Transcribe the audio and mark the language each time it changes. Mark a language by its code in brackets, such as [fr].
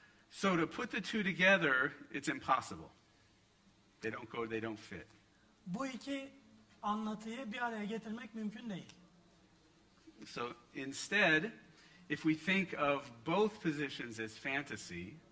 [en] So to put the two together, it's impossible. They don't go, they don't fit. [tr] Bu iki anlatıyı bir araya getirmek mümkün değil. [en] So instead, if we think of both positions as fantasy,